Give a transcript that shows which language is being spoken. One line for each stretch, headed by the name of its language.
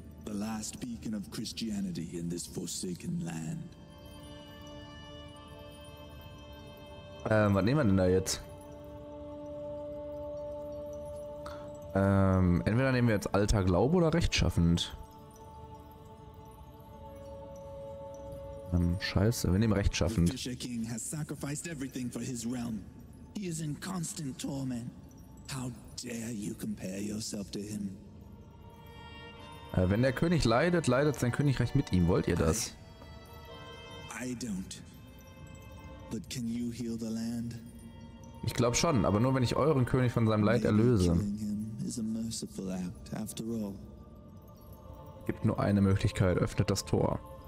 German: Was nehmen wir denn da jetzt? Entweder nehmen wir jetzt alter Glaube oder rechtschaffend. Scheiße, wir nehmen rechtschaffend. Der Fischerkönig hat alles für sein Reich.
English: He is in constant torment. How dare you compare yourself to him?
German: Wenn der König leidet, leidet sein Königreich mit ihm. Wollt ihr das?
English: I don't. But can you heal the land?
German: Ich glaube schon, aber nur wenn ich euren König von seinem Leid erlöse.
English: Killing him is a merciful act, after all.
German: Gibt nur eine Möglichkeit, öffnet das Tor.